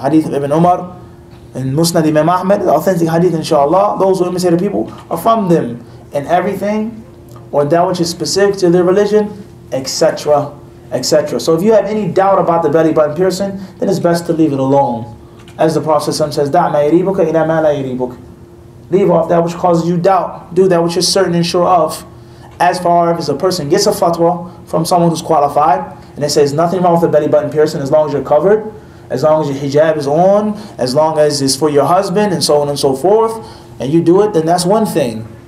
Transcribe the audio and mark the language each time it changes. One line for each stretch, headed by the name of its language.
English: Hadith of Ibn Umar and Musnad Imam Ahmed, the authentic hadith, inshallah, those who imitate the people are from them. And everything, or that which is specific to their religion, etc. etc. So if you have any doubt about the belly button piercing, then it's best to leave it alone. As the Prophet says,
Arabic: دَعْ مَا يَرِيبُكَ إِلَى مَا لَا يَرِيبُكَ.
English: Leave off that which causes you doubt. Do that which you're certain and sure of. As far as a person gets a fatwa from someone who's qualified, and they say there's nothing wrong with the belly button piercing as long as you're covered, as long as your hijab is on, as long as it's for your husband, and so on and so forth, and you do it, then that's one thing.